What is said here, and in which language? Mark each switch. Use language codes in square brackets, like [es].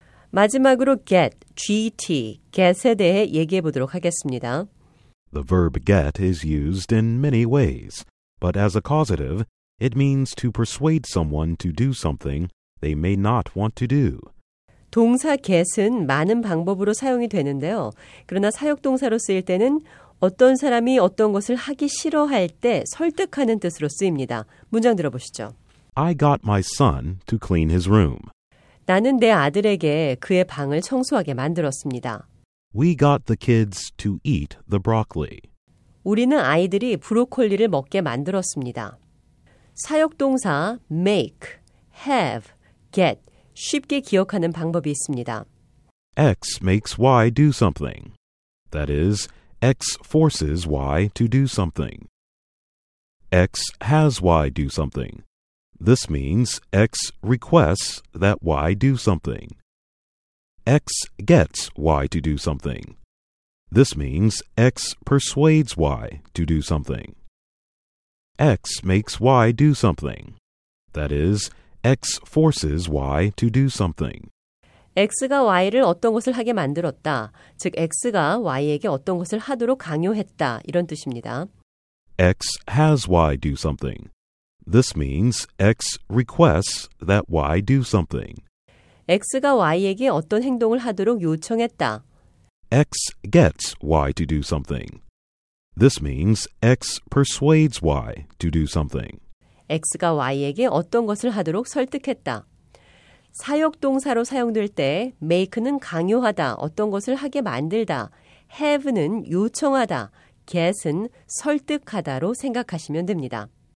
[ko] 마지막으로 get, G-T, get에 대해 얘기해 보도록 하겠습니다. [en] The verb get is used in many ways, but as a causative, it means to persuade someone to do something they may not want to do. [ko] 동사 get은 많은 방법으로 사용이 되는데요. 그러나 사역동사로 쓰일 때는 어떤 사람이 어떤 것을 하기 싫어할 때 설득하는 뜻으로 쓰입니다. 문장 들어보시죠. [en] I got my son to clean his room. [ko] 나는 내 아들에게 그의 방을 청소하게 만들었습니다. [en] We got the kids to eat the broccoli. [ko] 우리는 아이들이 브로콜리를 먹게 만들었습니다. 사역동사 make, have, get 쉽게 기억하는 방법이 있습니다. [en] X makes Y do something. That is, X forces Y to do something. X has Y do something. This means X requests that Y do something. X gets Y to do something. This means X persuades Y to do something. X makes Y do something. That is, X forces Y to do something. [ko] X가 Y를 어떤 것을 하게 만들었다. 즉, X가 Y에게 어떤 것을 하도록 강요했다. 이런 뜻입니다. [en] X has Y do something. This means X requests that Y do something. [ko] X가 Y에게 어떤 행동을 하도록 요청했다. [en] X gets Y to do something. This means X persuades Y to do something. [ko] X가 Y에게 어떤 것을 하도록 설득했다. 사역동사로 사용될 때 make는 강요하다, 어떤 것을 하게 만들다, have는 요청하다, get은 설득하다로 생각하시면 됩니다.